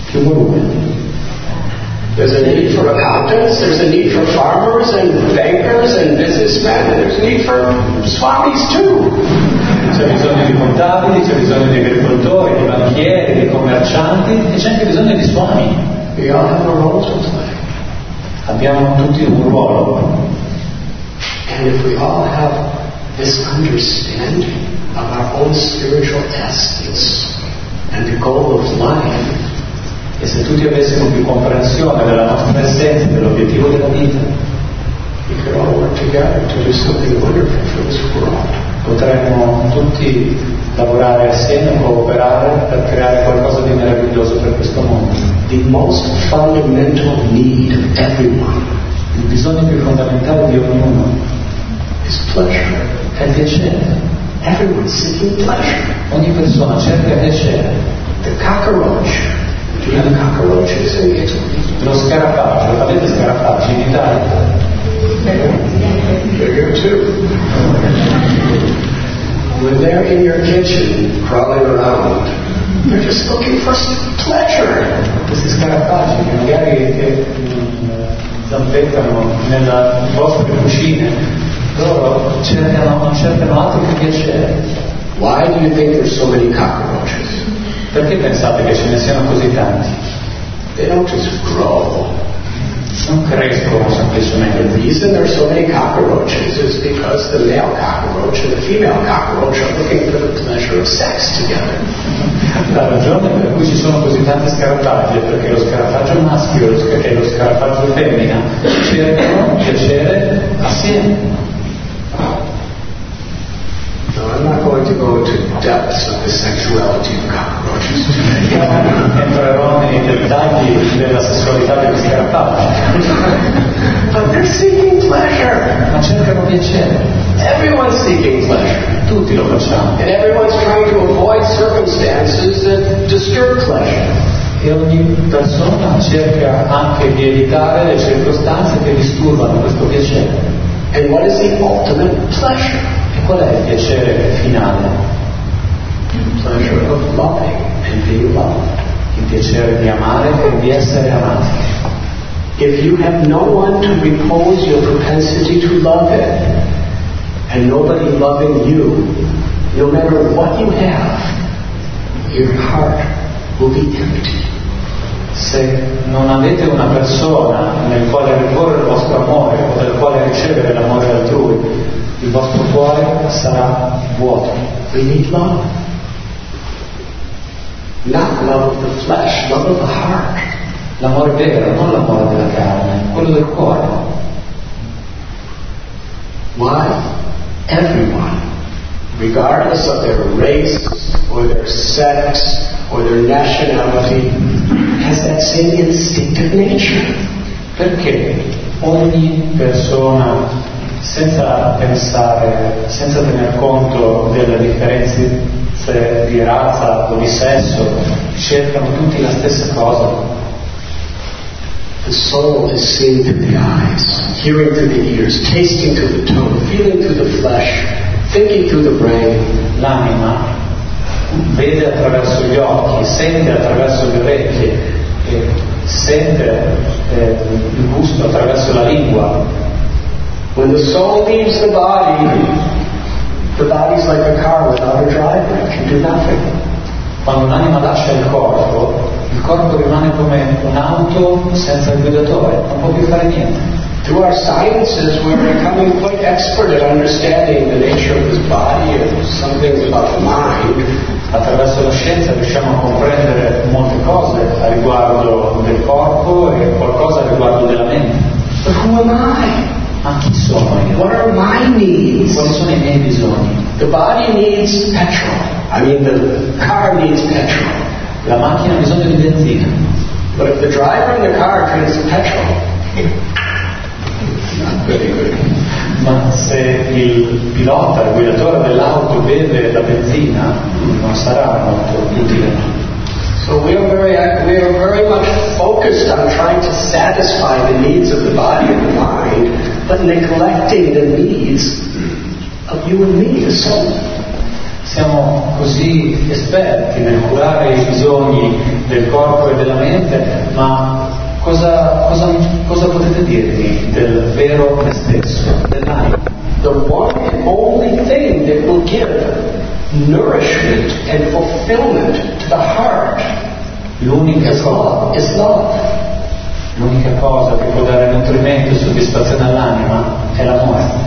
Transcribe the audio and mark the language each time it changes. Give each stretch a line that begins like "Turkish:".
English: There's a need for accountants, there's a need for farmers and bankers and businessmen, and there's a need for swamis too.
Italian: C'è bisogno di contabili, c'è bisogno di agricoltori, di banchieri, di commercianti, e c'è anche bisogno di swami.
English: We all have a role to play.
Italian: Abbiamo tutti un ruolo.
English: And if we all have this understanding of our own spiritual tasks and the goal of life,
Italian: e se tutti avessimo più comprensione della nostra essenza, dell'obiettivo della vita,
English: we could all work together to do something wonderful for this world.
Italian: Potremmo tutti lavorare assieme, cooperare per creare qualcosa di meraviglioso per questo mondo.
English: The most fundamental need of everyone,
Italian: il bisogno più fondamentale di ognuno,
English: is pleasure.
Italian: È piacere.
English: Everyone's seeking pleasure.
Italian: Ogni persona cerca piacere.
English: The cockroach. Do you know the cockroaches in Italy?
Italian: Lo scarafaggio. Avete scarafaggi in Italia?
English: Bigger too. When they're in your kitchen, crawling around, they're just looking for some pleasure.
Italian: Questi scarafaggi che magari zampettano nella vostra cucina, loro cercano altro che piacere.
English: Why do you think there's so many cockroaches?
Italian: Perché pensate che ce ne siano così tanti?
English: They don't just grow.
Italian: Non crescono semplicemente.
English: The reason there's so many cockroaches is because the male cockroach and the female cockroach are looking for the pleasure of sex together.
Italian: La ragione per cui ci sono così tanti scarafaggi è perché lo scarafaggio maschio e lo scarafaggio femmina cercano piacere assieme.
English: I'm not going to go into depths of the sexuality of cockroaches today.
Italian: Entrerò nei dettagli della sessualità degli scarafaggi.
English: But they're seeking pleasure.
Italian: Ma cercano piacere.
English: Everyone's seeking pleasure.
Italian: Tutti lo facciamo.
English: And everyone's trying to avoid circumstances that disturb pleasure.
Italian: E ogni persona cerca anche di evitare le circostanze che disturbano questo piacere.
English: And what is the ultimate pleasure?
Italian: E qual è il piacere finale?
English: The pleasure of loving and being loved.
Italian: Il piacere di amare e di essere amati.
English: If you have no one to repose your propensity to love it, and nobody loving you, no matter what you have, your heart will be empty.
Italian: Se non avete una persona nel quale riporre il vostro amore o nel quale ricevere l'amore altrui, il vostro cuore sarà vuoto.
English: We need love. Not love of the flesh, love of the heart.
Italian: L'amore vero, non l'amore della carne, quello del cuore.
English: Why? Everyone, regardless of their race or their sex or their nationality, has that same instinctive nature.
Italian: Perché ogni persona, senza pensare, senza tener conto delle differenze di razza o di sesso, cercano tutti la stessa cosa.
English: The soul is seen through the eyes, hearing through the ears, tasting through the tongue, feeling through the flesh, thinking through the brain.
Italian: L'anima vede attraverso gli occhi, sente attraverso le orecchie, sente il gusto attraverso la lingua.
English: When the soul leaves the body is like a car without a driver, it can do nothing.
Italian: Quando l'anima lascia il corpo rimane come un'auto senza il guidatore, non può più fare niente.
English: Through our sciences we're becoming quite expert at understanding the nature of this body or something about the mind.
Italian: Attraverso la scienza riusciamo a comprendere molte cose a riguardo del corpo e qualcosa a riguardo della mente.
English: But who am I?
Italian: Ma chi sono io?
English: What are my needs?
Italian: Quali sono i miei bisogni?
English: The body needs petrol. The car needs petrol.
Italian: La macchina ha bisogno di benzina.
English: But if the driver in the car drinks petrol,
Italian: ma se il pilota, il guidatore dell'auto beve la benzina, non sarà molto utile.
English: So we are very much focused on trying to satisfy the needs of the body and the mind, but neglecting the needs of you and me, the soul.
Italian: Siamo così esperti nel curare i bisogni del corpo e della mente, ma cosa potete dirmi del vero me stesso, dell'anima?
English: The one and only thing that will give nourishment and fulfillment to the heart.
Italian: L'unica cosa
English: is love.
Italian: L'unica cosa che può dare nutrimento e soddisfazione all'anima è l'amore.